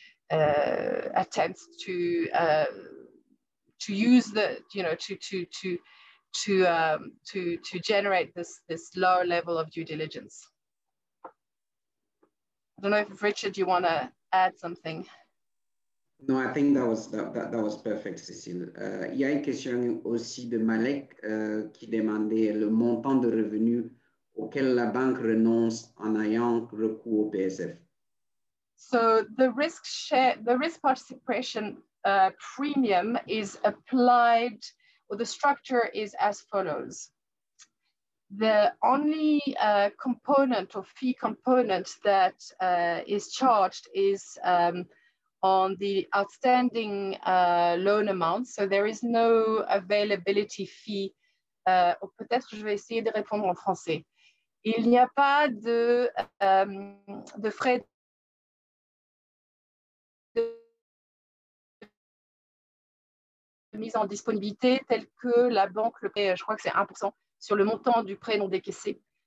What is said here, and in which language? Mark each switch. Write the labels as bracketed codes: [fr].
[en] attempts to use the, you know, to generate this lower level of due diligence. I don't know if Richard, you want to add something. No, I think that was perfect, Cécile. [fr] Il y a une question aussi de Malek qui demandait le montant de revenus auquel la banque renonce en ayant recours au PSF. [en] So the risk share, the risk participation premium is applied, or the structure is as follows. The only component or fee component that is charged is on the outstanding loan amount. So there is no availability fee. [fr] Peut-être je vais essayer de répondre en français. Il n'y a pas de frais de mise en disponibilité tel que la banque le paie, je crois que c'est 1% sur le montant du prêt non décaissé.